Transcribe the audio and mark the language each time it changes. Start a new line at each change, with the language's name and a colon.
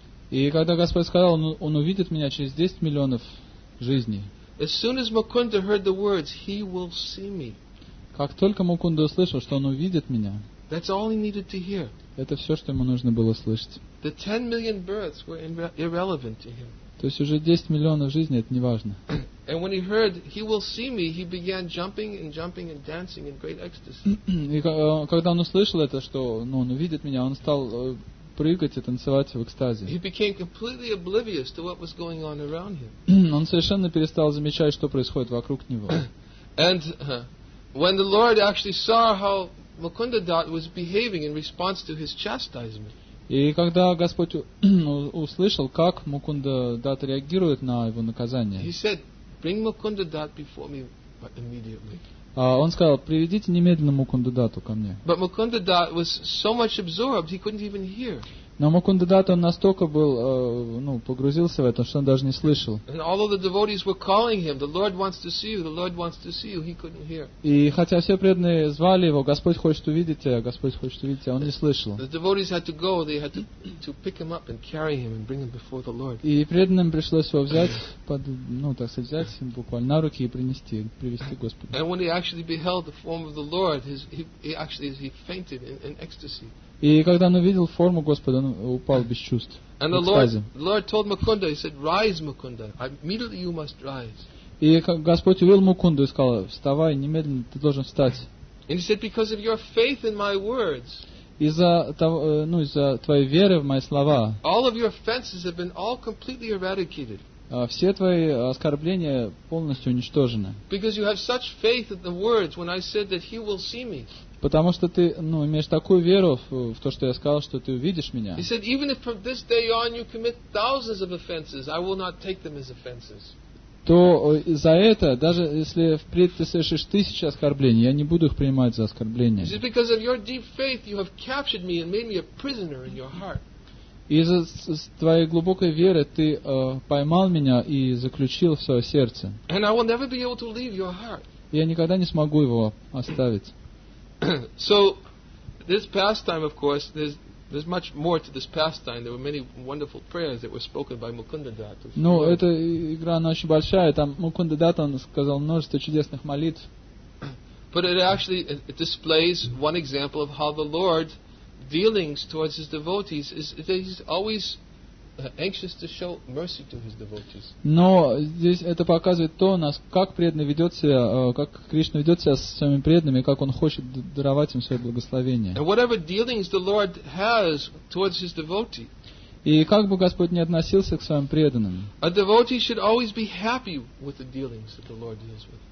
Russian: И когда Господь сказал, он увидит меня через 10 миллионов жизней.
English: As soon as Mukunda heard the words, he will see me.
Russian: Как только Мукунда услышал, что он увидит меня.
English: That's all he needed to hear.
Russian: Это все, что ему нужно было слышать.
English: The 10 million births were irrelevant to him.
Russian: То есть уже 10 миллионов жизней, это не важно.
English: And when he heard he will see me, he began jumping and jumping and dancing in great ecstasy.
Russian: И когда он услышал это, что он увидит меня, он стал прыгать и танцевать в экстазе.
English: He became completely oblivious to what was going on around him.
Russian: Он совершенно перестал замечать, что происходит вокруг него.
English: And when the Lord actually saw how Mukunda Dutt was behaving in response to his chastisement.
Russian: И когда Господь услышал, как Мукунда Дат реагирует на его наказание,
English: he said, "Bring Mukunda Dutt before me immediately."
Russian: Он сказал, приведите немедленно Мукунда Датту ко мне.
English: But Mukunda Dutt was so much absorbed, he couldn't even hear.
Russian: Но Мукунда Датт, он настолько был, погрузился в это, что он даже не слышал.
English: And although the devotees were calling him, the Lord wants to see you, the Lord wants to see you, he couldn't hear.
Russian: И хотя все преданные звали его, Господь хочет увидеть тебя, Господь хочет увидеть тебя, он не слышал.
English: The devotees had to go, they had to pick him up and carry him and bring him before the Lord.
Russian: И преданным пришлось его взять, взять его буквально на руки и привести Господу.
English: And when he actually beheld the form of the Lord, he fainted in ecstasy.
Russian: И когда он увидел форму Господа, он упал без чувств.
English: And the Lord told Mukunda, he said, "Rise, Mukunda. Immediately you must rise."
Russian: И Господь увидел Мукунду и сказал, вставай, немедленно ты должен встать.
English: And he said, "Because of your faith in my words."
Russian: Из-за твоей веры в мои слова.
English: All of your offenses have been all completely eradicated.
Russian: Все твои оскорбления полностью уничтожены.
English: Because you have such faith in the words when I said that he will see me.
Russian: Потому что ты имеешь такую веру в то, что я сказал, что ты увидишь меня.
English: He said, even if from this day on you commit thousands of offenses, I will not take them as offenses.
Russian: То за это, даже если впредь ты совершишь тысячи оскорблений, я не буду их принимать за оскорбления.
English: He said, because of your deep faith, you have captured me and made me a prisoner in your heart.
Russian: Из-за твоей глубокой веры ты поймал меня и заключил в свое сердце.
English: And I will never be able to leave your heart.
Russian: Я никогда не смогу его оставить.
English: So, this pastime, of course, there's much more to this pastime. There were many wonderful prayers that were spoken by Mukunda Datt.
Russian: No, эта игра, она очень большая. Там Мукунда Датт, он сказал множество чудесных молитв.
English: But it actually it displays one example of how the Lord dealings towards his devotees is that he's always anxious to show mercy to his devotees.
Russian: Но здесь это показывает то, как преданный ведет себя, как Кришна ведет себя с своими преданными, как он хочет даровать им свое благословение.
English: And whatever dealings the Lord has towards his devotee.
Russian: И как бы Господь ни относился к своим преданным.
English: A devotee should always be happy with the dealings that the Lord deals with.